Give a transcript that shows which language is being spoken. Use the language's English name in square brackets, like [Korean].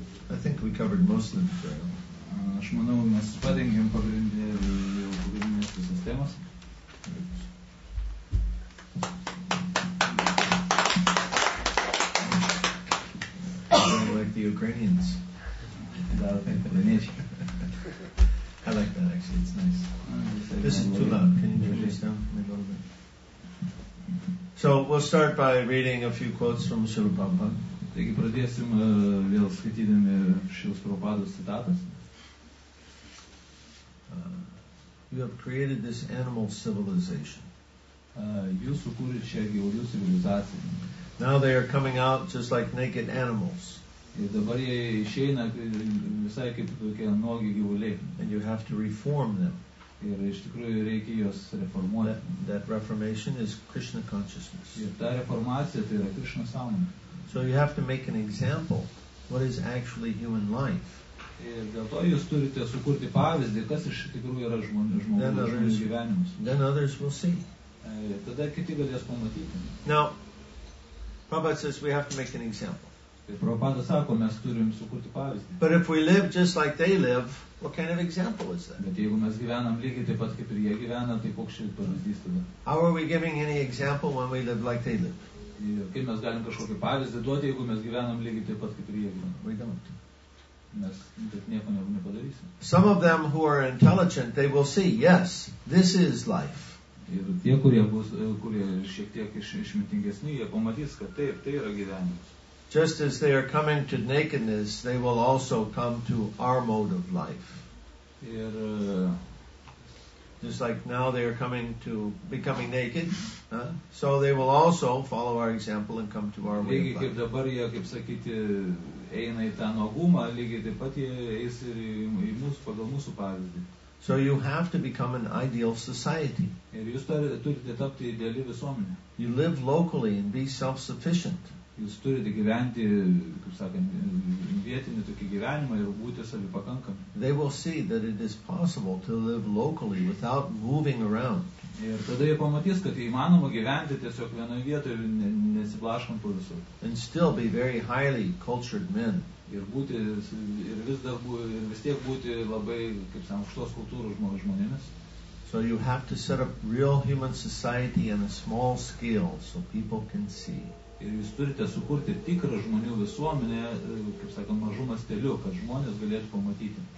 [English] I think we covered most of the trail. [Lithuanian] Aš manau, mes padengėm pagrindinės visas temas. [English] Like the Ukrainians. I like that actually, it's nice. This is too loud. Can you turn this down maybe a little bit? So we'll start by reading a few quotes from Srila Prabhupada. [Lithuanian] Taigi pradėsim vėl skaitydami Srila Prabhupados citatas. [English] You have created this animal civilization. [Lithuanian] Jūs sukūrėte šią gyvulių civilizaciją. [English] Now they are coming out just like naked animals. [Lithuanian] Ir dabar jie išeina visai kaip tokie nuogi gyvuliai. [English] And you have to reform them. [Lithuanian] Ir iš tikrųjų reikia juos reformuoti. [English] That reformation is Krishna consciousness. [Lithuanian] Ir ta reformacija tai yra Krishna sąmonė. [English] So you have to make an example. What is actually human life? [Lithuanian] Ir dėl to jūs turite sukurti pavyzdį, kas iš tikrųjų yra žmonių gyvenimas. [English] Then others will see. [Lithuanian] Ir tada kiti galės pamatyti. [English] Now, Prabhupada says we have to make an example. [Lithuanian] Ir Prabhupada sako, mes turim sukurti pavyzdį. [English] But if we live just like they live, what kind of example is that? [Lithuanian] Bet jeigu mes gyvenam lygiai taip pat kaip ir jie gyvena, tai koks čia pavyzdys tada? [English] How are we giving any example when we live like they live? [Lithuanian] Kaip mes galim kažkokį pavyzdį duoti, jeigu mes gyvenam lygiai taip pat kaip ir jie gyvena? [English] We don't. [Lithuanian] Mes bet nieko nepadarysim. [English] Some of them who are intelligent, they will see, yes, this is life. [Lithuanian] Ir tie, kurie šiek tiek išmintingesni, jie pamatys, kad taip, tai yra gyvenimas. [English] Just as they are coming to nakedness, they will also come to our mode of life. [Lithuanian] Ir, [English] just like now they are coming to becoming naked, so they will also follow our example and come to our mode of life. [Lithuanian] Lygiai kaip dabar jie, kaip sakyti, eina į tą nuogumą, lygiai taip pat jie eis ir į mūsų, pagal mūsų pavyzdį. [English] So you have to become an ideal society. [Lithuanian] Ir jūs turite tapti ideali visuomenė. [English] You live locally and be self-sufficient. [Lithuanian] Jūs turite gyventi, kaip sakant, vietinį tokį gyvenimą ir būti savipakankami. [English] They will see that it is possible to live locally without moving around. [Lithuanian] Ir tada jie pamatys, kad įmanoma gyventi tiesiog vienoje vietoje ir nesiblaškant po visur. [English] And still be very highly cultured men. [Lithuanian] Ir būti ir vis dar ir vis tiek būti labai, kaip sakant, aukštos kultūros žmonėmis. [English] So you have to set up real human society on a small scale so people can see. [Lithuanian] Ir jūs turite sukurti tikrą žmonių visuomenę, kaip sakant, mažų masteliu, kad žmonės galėtų pamatyti.